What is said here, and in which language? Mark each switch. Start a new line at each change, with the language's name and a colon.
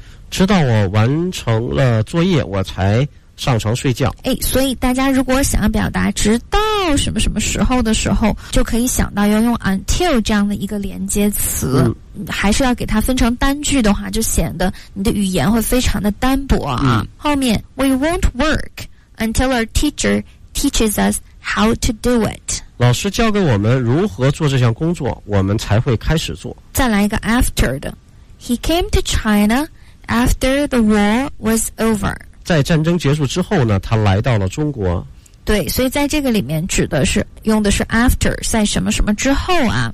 Chinese: 直到我完成了作业我才上床睡觉。哎，所以大家如果想要表达直到什么什么时候的时候，就可以想到要用 until 这样的一个连接词，嗯，还是要给它分成单句的话，就显得你的语言会非常的单薄啊，嗯。后面
English: we won't work until our teacher teaches us how to do it，
Chinese: 老师教给我们如何做这项工作，我们才会开始做。再来一个 after 的，
English: he came to China after the war was over，
Chinese: 在战争结束之后呢，他来到了中国。对，所以在这个里面指的是用的是 after， 在什么什么之后啊。